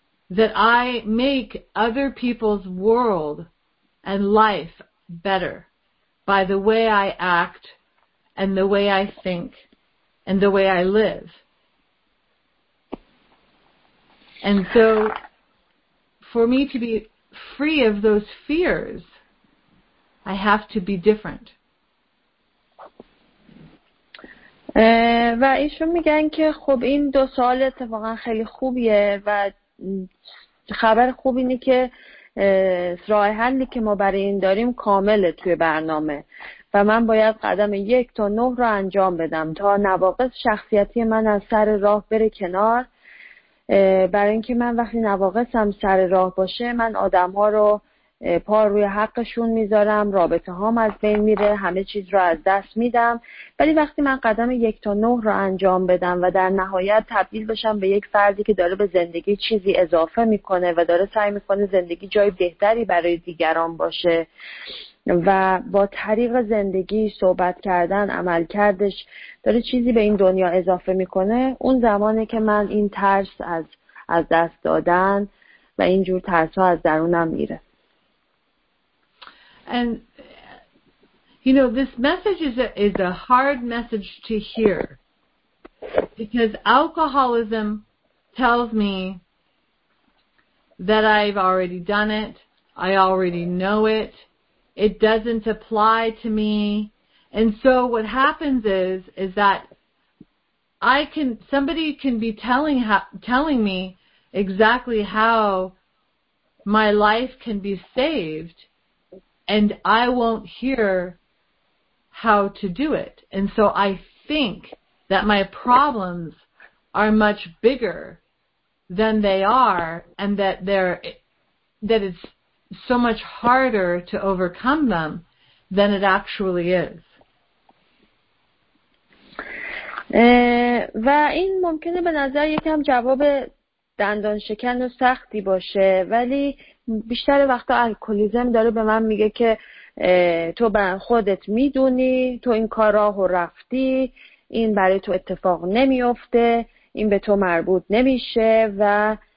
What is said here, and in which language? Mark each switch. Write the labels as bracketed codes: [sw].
[en] That I make other people's world and life better by the way I act and the way I think and the way I live. And so for me to be free of those fears, I have to be different. [fa] و ایشون میگن که خب این دو سوال اتفاقا خیلی خوبیه و خبر خوب اینه که راه حلی که ما برای این داریم کامله توی برنامه و من باید قدم 1 تا 9 رو انجام بدم تا نواقص شخصیتی من از سر راه بره کنار، برای اینکه من وقتی نواقصم سر راه باشه من آدم ها رو پا روی حقشون میذارم، رابطه هام از بین میره، همه چیز رو از دست میدم. ولی وقتی من قدم 1 تا 9 رو انجام بدم و در نهایت تبدیل بشم به یک فردی که داره به زندگی چیزی اضافه میکنه و داره سعی میکنه زندگی جای بهتری برای دیگران باشه و با طریق زندگی، صحبت کردن، عمل کردش داره چیزی به این دنیا اضافه میکنه، اون زمانه که من این ترس از دست دادن و اینجور ترس ها از درونم میره. [en] And, you know, this message is a hard message to hear because alcoholism tells me that I've already done it, I already know it, it doesn't apply to me. And so what happens is that somebody can be telling me exactly how my life can be saved, and I won't hear how to do it. And so I think that my problems are much bigger than they are, and that it's so much harder to overcome them than it actually is. [fa] و این ممکنه به نظر یکم جواب دندان شکن و سختی باشه، ولی بیشتر وقتا الکلیزم داره به من میگه که تو به خودت میدونی، تو این کار راهو رفتی، این برای تو اتفاق نمیفته، این به تو مربوط نمیشه، و